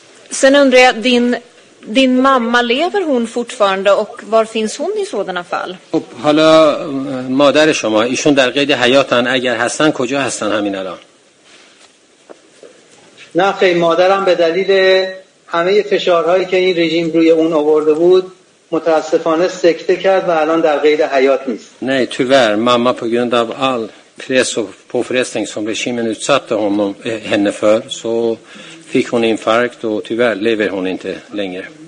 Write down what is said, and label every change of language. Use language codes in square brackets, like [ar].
[sv] Sen undrar jag, din mamma, lever hon fortfarande och var finns hon i sådana fall? Hallå, moder [fa] شما, ایشون در قید حیاتن, اگر هستن کجا هستن همین الان؟ نه خیلی مادرم به دلیل همه فشارهایی که این رژیم روی اون آورده بود متاسفانه سکته کرد و الان در قید حیات نیست. [sv] نه tyvärr, mamma på grund av all press och påfrestning som regimen utsatte honom henne för så fick hon infarkt och tyvärr lever hon inte längre.